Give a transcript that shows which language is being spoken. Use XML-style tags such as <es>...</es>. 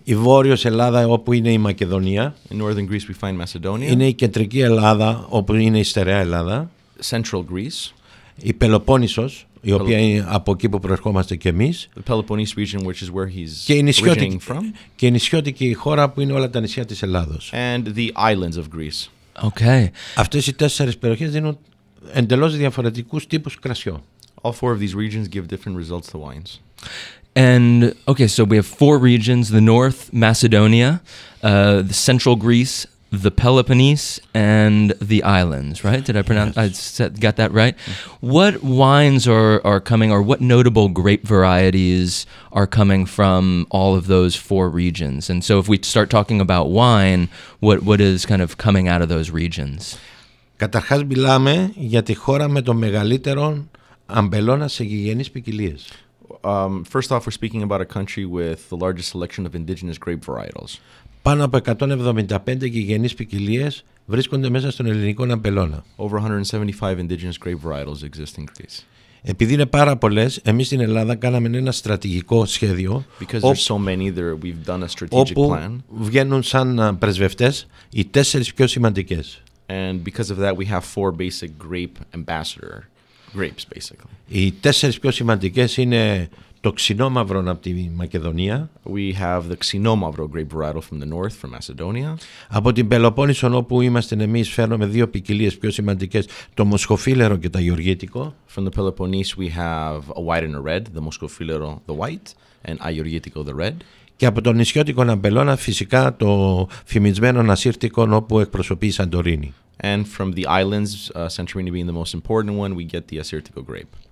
<el>Η Βόρειος Ελλάδα, όπου είναι η Μακεδονία.</el> <en>In northern Greece we find Macedonia.</en> <el>Είναι η Κεντρική Ελλάδα, όπου είναι η Στερεά Ελλάδα.</el> <en>Central Greece.</en> <el>Η Πελοπόννησος, η οποία είναι από εκεί που προερχόμαστε κι εμείς.</el> <en>The Peloponnese region, which is where he's originating from.</en> <el>Και η νησιώτικη χώρα που είναι όλα τα νησιά της Ελλάδος.</el> <en>And the islands of Greece. Okay.</en> <el>Αυτές οι τέσσερις περιοχές δίνουν εντελώς διαφορετικούς τύπους κρασιών.</el> <en>All four of these regions give different results to wines. And okay, so we have four regions: the north, Macedonia, the central Greece, the Peloponnese, and the islands, right? Did I pronounce, yes. Got that right? What wines are coming, or what notable grape varieties are coming from all of those four regions? And so if we start talking about wine, what is kind of coming out of those regions?</en> <el>Καταρχάς μιλάμε για τη χώρα με τον μεγαλύτερο αμπελώνα σε γηγενείς ποικιλίες.</el> <en>First off, we're speaking about a country with the largest selection of indigenous grape varietals.</en> <el>Πάνω από 175 γηγενείς ποικιλίες βρίσκονται μέσα στον ελληνικό αμπελώνα.</el> <en>Over 175 indigenous grape varietals exist in Greece.</en> <el>Επειδή είναι πάρα πολλές, εμείς στην Ελλάδα κάναμε ένα στρατηγικό σχέδιο.</el> <en>Because there's so many there, we've done a strategic</en> <el>όπου</el> <en>plan.</en> <el>Βγαίνουν σαν πρεσβευτές οι τέσσερις πιο σημαντικές.</el> <en>And because of that, we have four basic grape ambassador grapes, basically.</en> <el>Οι τέσσερις πιο σημαντικές είναι το ξινόμαυρο από τη Μακεδονία.</el> <en>We have the ξινόμαυρο grape varietal from the north, from Macedonia.</en> <el>Από την Πελοπόννησο, όπου είμαστε εμείς, φέρνουμε δύο ποικιλίες πιο σημαντικές, το Μοσχοφύλερο και το Αγιοργήτικο.</el> <en>From the Peloponnese, we have a white and a red, the Μοσχοφύλερο, the white, and Αγιοργήτικο, the red.</en> <el>Και από τον νησιώτικο Αμπελώνα, φυσικά το φημισμένο Νασίρτικο, όπου εκπροσωπεί η Σαντορίνη.</el> <en>And from the islands, Santorini being the most important one, we get the Assyrtiko grape.</en>